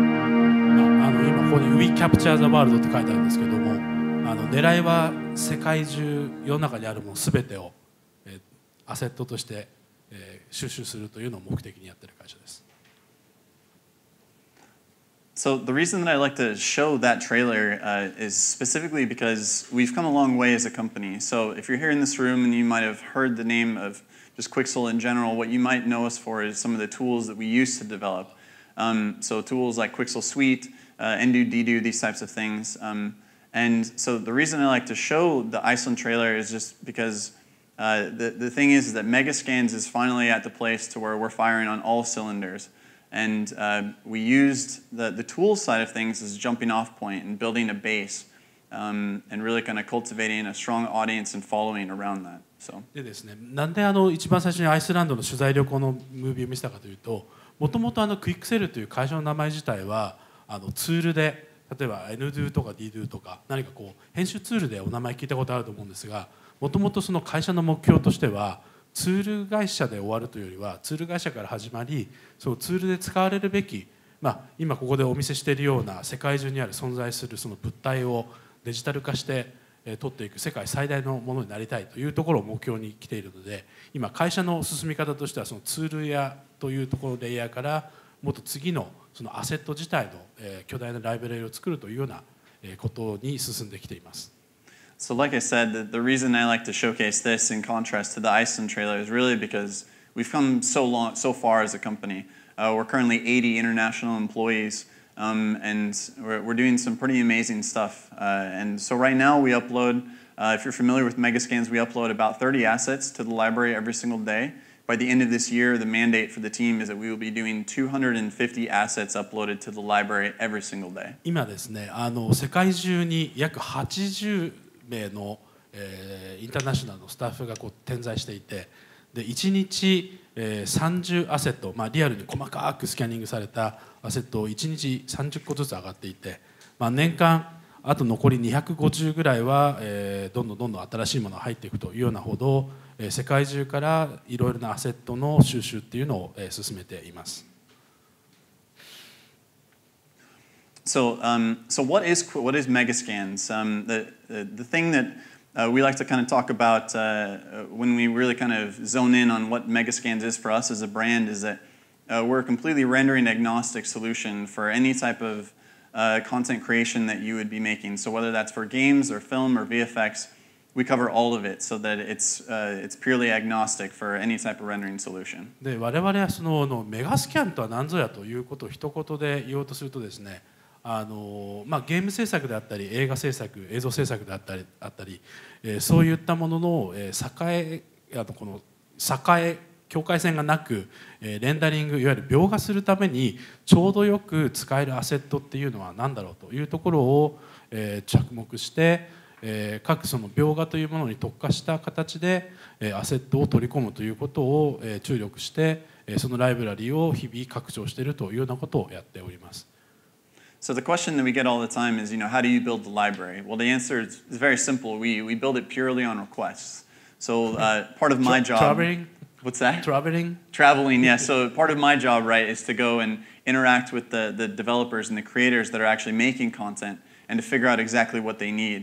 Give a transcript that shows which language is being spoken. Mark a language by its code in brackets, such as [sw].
[en] The world [ja] って書いてあるんですけども、狙いは世界中世の中にあるもの全てを、アセットとして、収集するというのを目的にやってる会社です。 [en] So the reason that I like to show that trailer, is specifically because we've come a long way as a company. So if you're here in this room and you might have heard the name of just Quixel in general, what you might know us for is some of the tools that we used to develop. So tools like Quixel Suite. Endu, Dedu, these types of things. And so the reason I like to show the Iceland trailer is just because the thing is that Megascans is finally at the place to where we're firing on all cylinders. And we used the tool side of things as a jumping off point and building a base and really kind of cultivating a strong audience and following around that. So. [ja] でですね、なんで一番最初にアイスランドの取材旅行のムービーを見せたかというと、もともとQuixelという会社の名前自体はツールで、例えば Ndo とか Ddo とか何かこう編集ツールでお名前聞いたことあると思うんですが、もともとその会社の目標としてはツール会社で終わるというよりはツール会社から始まり、そのツールで使われるべき、まあ、今ここでお見せしているような世界中にある存在するその物体をデジタル化して取っていく世界最大のものになりたいというところを目標に来ているので、今会社の進み方としてはそのツール屋というところレイヤーからもっと次のそのアセット自体の巨大なライブラリを作るというようなことに進んできています。 [en] So like I said, the reason I like to showcase this in contrast to the Iceland trailer is really because we've come so long, so far as a company. We're currently 80 international employees, and we're doing some pretty amazing stuff. And so right now we upload, if you're familiar with Megascans, we upload about 30 assets to the library every single day. By the end of this year, the mandate for the team is that we will be doing 250 assets uploaded to the library every single day. [ja] 今ですね、世界中に約80名の、インターナショナルのスタッフがこう点在していて、で1日、30アセット、まあ、リアルに細かくスキャニングされたアセットを1日30個ずつ上がっていて、まあ、年間あと残り250ぐらいは、どんどんどんどん新しいものが入っていくというようなほど、世界中からいろいろなアセットの収集っていうのを、進めています。 [en] So, so what is Megascans? The thing that we like to kind of talk about when we really kind of zone in on what Megascans is for us as a brand is that we're a completely rendering agnostic solution for any type of content creation that you would be making. So whether that's for games or film or VFX, we cover all of it so that it's purely agnostic for any type of rendering solution. [ja] で、我々はそのMegascansとは何ぞやということを一言で言おうとするとですね、まあ、ゲーム制作であったり映画制作映像制作であったり、そういったものの、この境境界線がなく、レンダリングいわゆる描画するためにちょうどよく使えるアセットっていうのは何だろうというところを、着目して、各その描画というものに特化した形で、アセットを取り込むということを、注力して、そのライブラリを日々拡張しているというようなことをやっております。 [en] So the question that we get all the time is, you know, how do you build the library? Well, the answer is very simple. We build it purely on requests. So part of my job... Traveling? What's that? Traveling? Traveling, yeah. So part of my job, right, is to go and interact with the developers and the creators that are actually making content and to figure out exactly what they need.